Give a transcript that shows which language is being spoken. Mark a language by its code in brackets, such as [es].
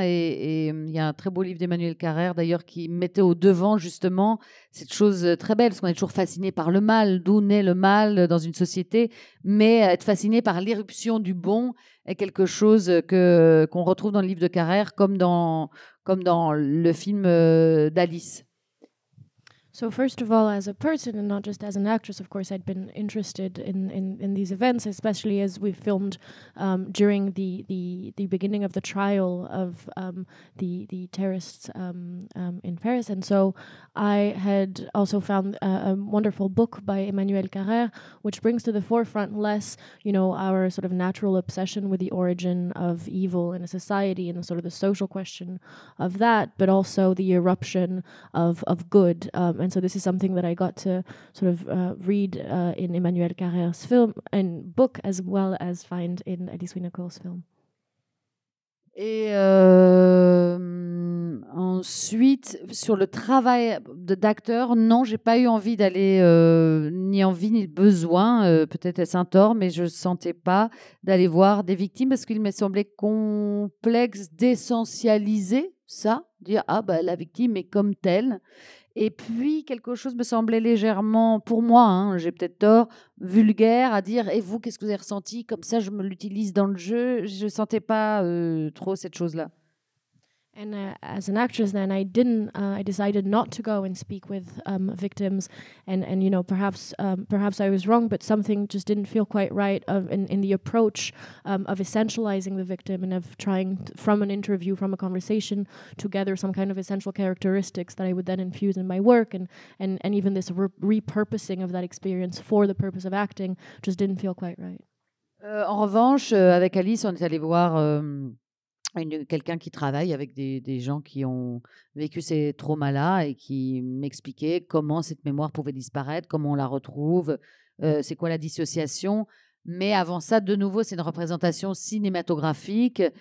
[fr] Et il y a un très beau livre d'Emmanuel Carrère, d'ailleurs, qui mettait au devant justement cette chose très belle. Parce qu'on est toujours fasciné par le mal, d'où naît le mal dans une société. Mais être fasciné par l'irruption du bon est quelque chose qu'on retrouve dans le livre de Carrère, comme dans le film d'Alice. [en] So first of all, as a person and not just as an actress, of course, I'd been interested in these events, especially as we filmed during the beginning of the trial of the terrorists in Paris. And so I had also found a wonderful book by Emmanuel Carrère, which brings to the forefront less, you know, our sort of natural obsession with the origin of evil in a society and the sort of the social question of that, but also the eruption of good. And so this is something that I got to sort of read in Emmanuel Carrère's film and book, as well as find in Alice Winocour's film. [fr] Et ensuite, sur le travail d'acteur, non, j'ai pas eu envie d'aller, ni envie ni besoin, peut-être est-ce un tort, mais je sentais pas d'aller voir des victimes parce qu'il me semblait complexe d'essentialiser ça, dire ah bah la victime est comme telle. Et puis, quelque chose me semblait légèrement, pour moi, hein, j'ai peut-être tort, vulgaire, à dire « Et vous, qu'est-ce que vous avez ressenti ?» Comme ça, je me l'utilise dans le jeu. Je ne sentais pas trop cette chose-là. [en] And as an actress, then I decided not to go and speak with victims, and you know perhaps I was wrong, but something just didn't feel quite right of in the approach of essentializing the victim and of trying from an interview, from a conversation, to gather some kind of essential characteristics that I would then infuse in my work, and even this repurposing of that experience for the purpose of acting just didn't feel quite right. [fr] En revanche, avec Alice, on est allé voir. Quelqu'un qui travaille avec des gens qui ont vécu ces traumas-là et qui m'expliquait comment cette mémoire pouvait disparaître, comment on la retrouve, c'est quoi la dissociation. Mais avant ça, de nouveau, c'est une représentation cinématographique.